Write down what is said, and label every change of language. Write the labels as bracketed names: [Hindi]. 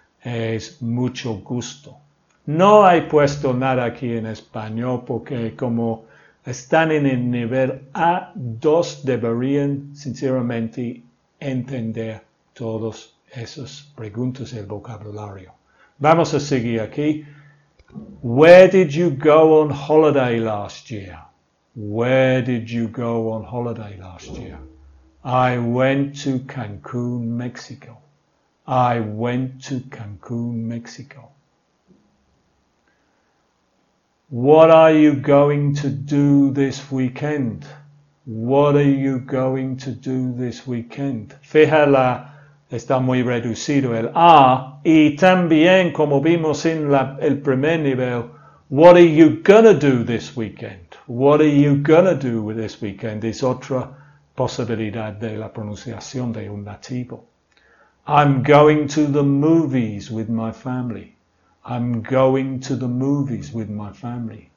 [Spanish] Es mucho gusto. No he puesto nada aquí en español porque como están en el nivel A2, deberían sinceramente entender todas esas preguntas y el vocabulario. Vamos a seguir aquí. [English] Where did you go on holiday last year? Where did you go on holiday last year? I went to Cancun, Mexico. I went to Cancun, Mexico. What are you going to do this weekend? What are you going to do this weekend? [Spanish] Fíjala, está muy reducido el A. Y también, como vimos en el primer nivel, [English] what are you gonna do this weekend? What are you gonna do with this weekend? [Spanish] Es otra posibilidad de la pronunciación de un nativo. [English] I'm going to the movies with my family. I'm going to the movies with my family.